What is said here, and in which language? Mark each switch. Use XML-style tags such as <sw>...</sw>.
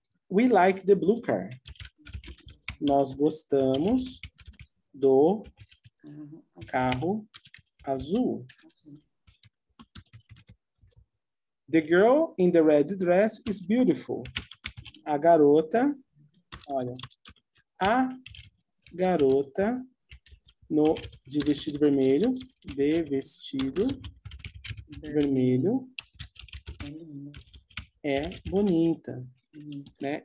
<en>We like the blue car.</en> <pt>Nós gostamos do carro azul.</pt> <en>The girl in the red dress is beautiful.</en> <pt>A garota, olha, a garota no de vestido vermelho, de vestido vermelho, é bonita, né?</pt>